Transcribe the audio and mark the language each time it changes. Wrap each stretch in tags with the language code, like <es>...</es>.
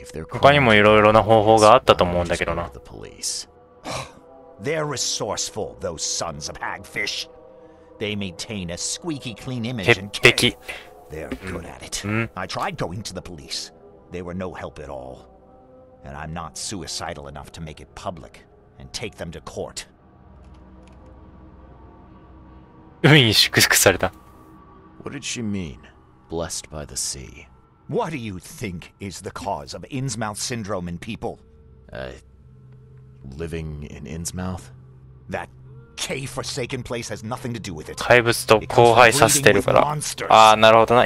<ja>他にもいろいろな方法があったと思うんだけどな。</ja> <en>They're resourceful, those sons of hagfish. They maintain a squeaky clean image and care. They're good at it. I tried going to the police. They were no help at all. And I'm not suicidal enough to make it public and take them to court.</en> <ja>海に祝福された。</ja> <en>What did she mean? Blessed by the sea. What do you think is the cause of Innsmouth syndrome in people? Living in Innsmouth? That cave-forsaken place has nothing to do with it.</en> <ja>怪物と交配させてるから。ああ、なるほどな。</ja>